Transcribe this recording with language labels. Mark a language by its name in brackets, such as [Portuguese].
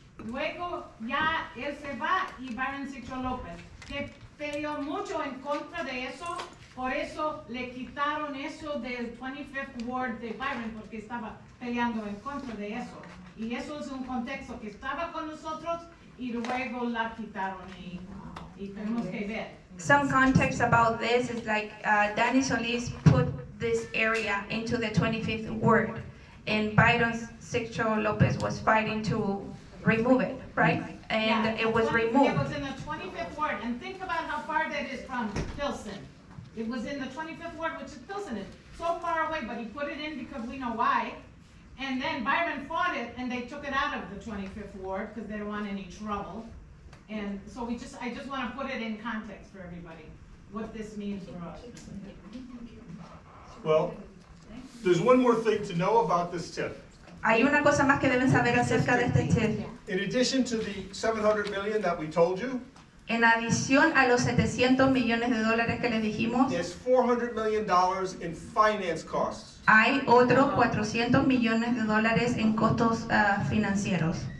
[Spanish] Luego ya él se va y Byron Sicho López, que peleó mucho en contra de eso, por eso le quitaron eso del 25th Ward de Byron, porque estaba peleando en contra de eso. Y eso es un contexto que estaba con nosotros y luego la quitaron y tenemos que ver. [English] Some context about this is like Danny Solis put this area into the 25th Ward, and Byron Sicho López was fighting to remove it, right? And yeah, it was removed. It was in the 25th Ward, and think about how far that is from Pilsen. It was in the 25th Ward, which is Pilsen. It's so far away, but he put it in because we know why. And then Byron fought it, and they took it out of the 25th Ward because they don't want any trouble. And so I just want to put it in context for everybody, what this means for us. Well, there's one more thing to know about this TIF. [Spanish] Hay una cosa más que deben saber acerca de este TIF. [English] In addition to the 700 million that we told you, [Spanish] en adición a los 700 millones de dólares que les dijimos, [English] there's $400 million in finance costs. [Spanish] Hay otros 400 millones de dólares en costos financieros.